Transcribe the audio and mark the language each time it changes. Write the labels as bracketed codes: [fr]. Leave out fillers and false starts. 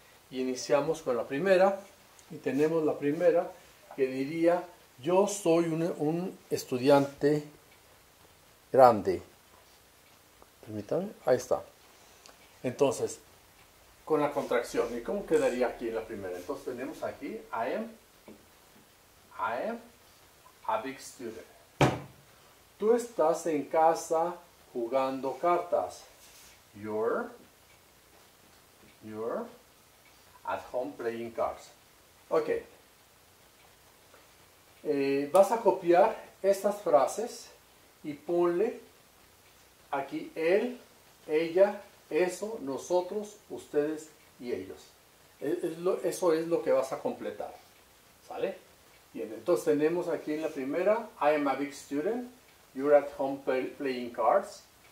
[es] Y iniciamos con la primera, y tenemos la primera que diría: yo soy un estudiante grande. Permítanme, ahí está. Entonces, con la contracción, ¿y cómo quedaría aquí en la primera? Entonces tenemos aquí: [en] I am a big student. [es] Tú estás en casa jugando cartas. [en] You're at home playing cards. Ok. [es] Vas a copiar estas frases y ponle aquí él, ella, eso, nosotros, ustedes y ellos. Eso es lo que vas a completar. ¿Sale? Bien, entonces tenemos aquí en la primera: [en] I am a big student. You're at home playing cards.